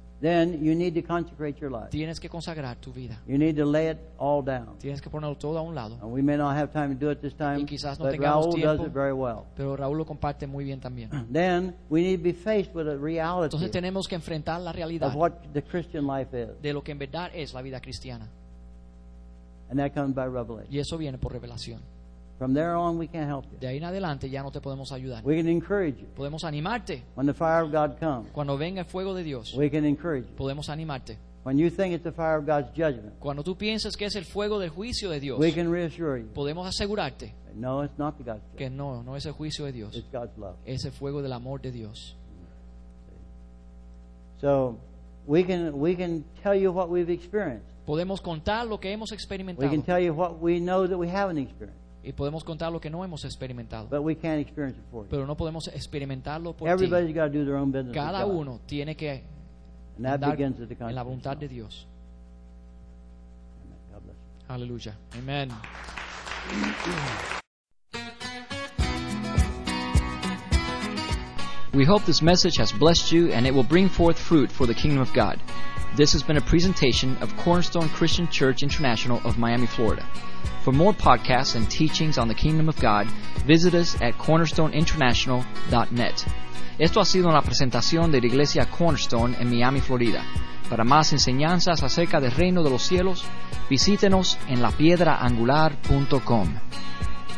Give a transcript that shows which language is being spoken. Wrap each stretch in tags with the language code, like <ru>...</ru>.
<en>then you need to consecrate your life.</en> <es>Tienes que consagrar tu vida.</es> <en>You need to lay it all down.</en> <es>Tienes que ponerlo todo a un lado.</es> <en>And we may not have time to do it this time,</en> <es>y quizás no</es> <en>but</en> <es>tengamos</es> <en>Raúl</en> <es>tiempo,</es> <en>does it very well.</en> <es>Pero Raúl lo comparte muy bien también.</es> <en>Then we need to be faced with a reality.</en> <es>Entonces tenemos que enfrentar la realidad</es> <en>of what the Christian life is.</en> <es>De lo que en verdad es la vida cristiana.</es> <en>And that comes by revelation.</en> <es>Y eso viene por revelación.</es> <en>From there on, we can't help you.</en> <es>De ahí en adelante ya no te podemos ayudar.</es> <en>We can encourage you.</en> <es>Podemos animarte.</es> <en>When the fire of God comes.</en> <es>Cuando venga el fuego de Dios.</es> <en>We can encourage you.</en> <es>Podemos animarte.</es> <en>When you think it's the fire of God's judgment.</en> <es>Cuando tú piensas que es el fuego del juicio de Dios.</es> <en>We can reassure you.</en> <es>Podemos asegurarte.</es> <en>No, it's not the God's judgment.</en> <es>Que no, no es el juicio de Dios.</es> <en>It's God's love.</en> <es>Es el fuego del amor de Dios.</es> <en>So, we can tell you what we've experienced.</en> <es>Podemos contar lo que hemos experimentado.</es> <en>We can tell you what we know that we haven't experienced.</en> <es>Y podemos contar lo que no hemos experimentado.</es> <en>But we can't experience it for</en> <es>pero no podemos experimentarlo por</es> <en>everybody's</en> <es>ti.</es> <en>Got to do their own business</en> <es>cada</es> <en>with</en> <es>uno</es> <en>God.</en> <es>Tiene que</es> <en>and that</en> <es>andar</es> <en>begins at the</en> <es>en la voluntad de Dios. Aleluya. Amén.</es> <en>We hope this message has blessed you and it will bring forth fruit for the kingdom of God. This has been a presentation of Cornerstone Christian Church International of Miami, Florida. For more podcasts and teachings on the kingdom of God, visit us at cornerstoneinternational.net.</en> <es>Esto ha sido una presentación de la Iglesia Cornerstone en Miami, Florida. Para más enseñanzas acerca del reino de los cielos, visítenos en lapiedraangular.com.</es>